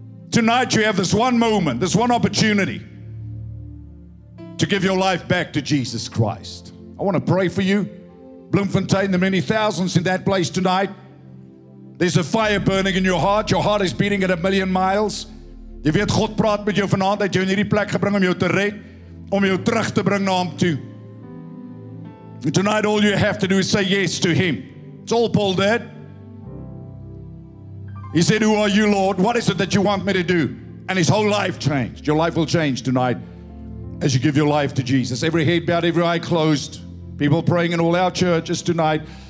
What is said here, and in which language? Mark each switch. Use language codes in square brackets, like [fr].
[en] Tonight you have this one moment, this one opportunity to give your life back to Jesus Christ. I want to pray for you. Bloemfontein, the many thousands in that place tonight. There's a fire burning in your heart. Your heart is beating at a million miles. [af] Jy weet God praat met jou vanaand dat jy in hierdie plek gebring om jou te red, om jou terug te bring na hom toe. [en] And tonight all you have to do is say yes to Him. It's all Paul did. He said, who are you, Lord? What is it that you want me to do? And his whole life changed. Your life will change tonight as you give your life to Jesus. Every head bowed, every eye closed. People praying in all our churches tonight.